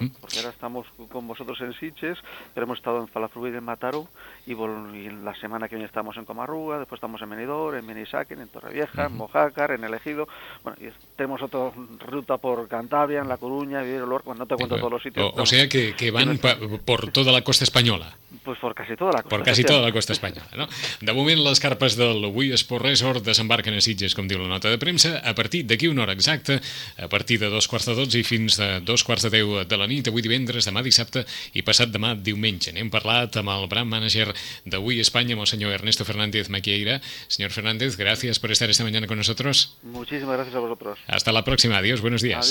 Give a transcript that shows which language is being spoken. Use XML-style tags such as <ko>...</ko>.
<es>Porque ahora estamos con vosotros en Sitges, pero hemos estado en Falafrúguez y en Mataró y la semana que viene estamos en Comarruga, después estamos en Benidorm, en Benisáquen, en Torrevieja, en Mojácar, en El Ejido. Bueno, y tenemos otra ruta por Cantabria, en La Coruña, en Vivero, Lorca, no te cuento todos los sitios. O sea que van por toda la costa española. Pues por casi toda la costa. Por casi toda la costa espanyola, no?</es> <ca>De moment, les carpes del Wii Sports Resort desembarquen a Sitges, com diu la nota de premsa, a partir d'aquí una hora exacta, a partir de 11:45 i fins a 10:45 de la nit, avui divendres, demà dissabte i passat demà diumenge. N'hem parlat amb el brand manager de Wii Espanya, amb el senyor Ernesto Fernández Maquieira. Senyor Fernández, gràcies per estar</ca> <es>esta mañana con nosotros. Muchísimas gracias a vosotros. Hasta la próxima. Adiós, buenos días.</es>